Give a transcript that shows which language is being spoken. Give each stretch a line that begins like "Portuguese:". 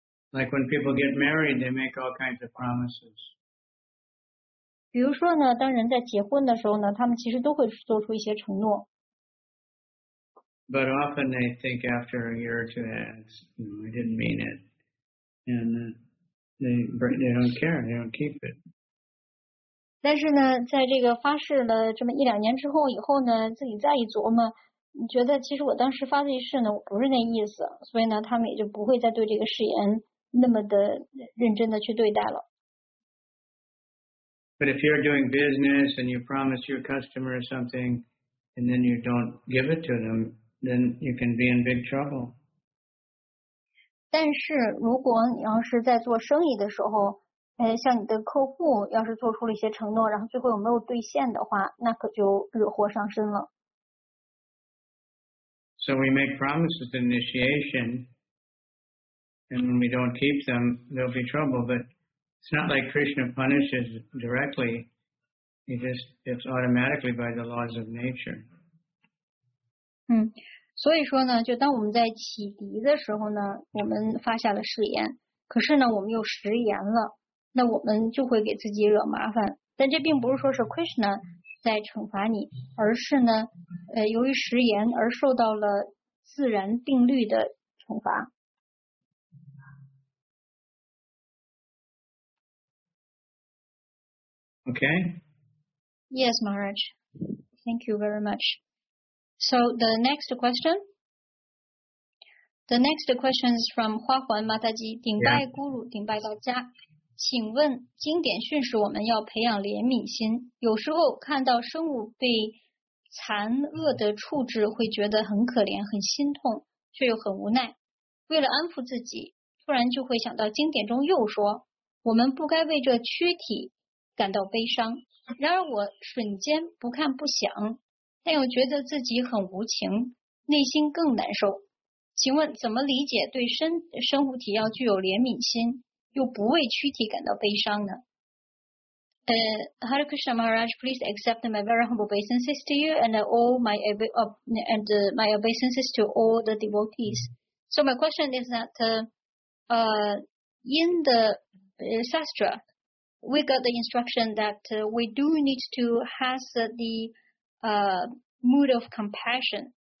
English: Like when people get married, they make all kinds of promises.
Chinese: 比如说呢，当人在结婚的时候呢，他们其实都会做出一些承诺。
English: But often they think after a year or two, I didn't mean it, and they don't care, they don't keep it.
Chinese: 但是呢，在这个发誓了这么一两年之后，以后呢，自己再一琢磨，你觉得其实我当时发这誓呢，我不是那意思，所以呢，他们也就不会再对这个誓言那么的认真的去对待了。
English: But if you're doing business and you promise your customer something, and then you don't give it to them, then you can be in big trouble.
Chinese: 但是如果你要是在做生意的时候，像你的客户要是做出了一些承诺，然后最后又没有兑现的话，那可就惹祸上身了。
English: So we make promises at initiation, and when we don't keep them, there'll be trouble. But it's not like Krishna punishes directly; it's automatically by the laws of nature.
Chinese: 所以说呢，就当我们在启迪的时候呢，我们发下了誓言，可是呢，我们又食言了。那我们就会给自己惹麻烦，但这并不是说是 Krishna 在惩罚你，而是呢，由于食言而受到了自然定律的惩罚。
English: Okay. Yes, Maharaj. Thank you very much. So the next question. The next question is from Hua Huan Mataji.
Chinese: 顶拜 Guru, 顶拜到家。请问经典训示我们要培养怜悯心，有时候看到生物被残恶的处置会觉得很可怜很心痛，却又很无奈，为了安抚自己突然就会想到经典中又说我们不该为这躯体感到悲伤，然而我瞬间不看不想，但又觉得自己很无情，内心更难受，请问怎么理解对生物体要具有怜悯心又不为躯体感到悲伤呢？
English: Hare Krishna Maharaj, please accept my very humble obeisances to you and all my and my obeisances to all the devotees. So my question is that, in the sastra, we got the instruction that we do need to has the mood of compassion.